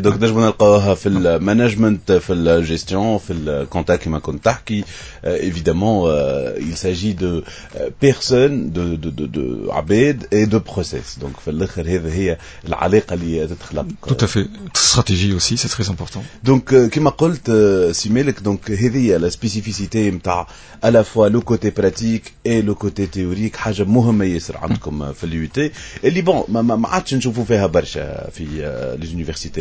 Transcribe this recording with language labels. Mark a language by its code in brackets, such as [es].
[ar] Donc, نجمو نلقاوها في المانجمنت, في الجيستيون, في الكونتاكت كيما كنت تحكي. [fr] Évidemment, il s'agit de personnes, de عباد et de process. [ar] Donc, في الاخر هذا هي العلاقة اللي تتخلق. [fr] Tout à fait. Stratégie aussi, c'est très important. Donc, [ar] كيما قلت سي مالك, [fr] donc هذه هي la spécificité متاع à la fois le côté pratique et le côté théorique. [ar] حاجة مهمة ياسر عندكم في l'UT. Et اللي بون, ما عادش نشوفوا فيها برشا في les universités.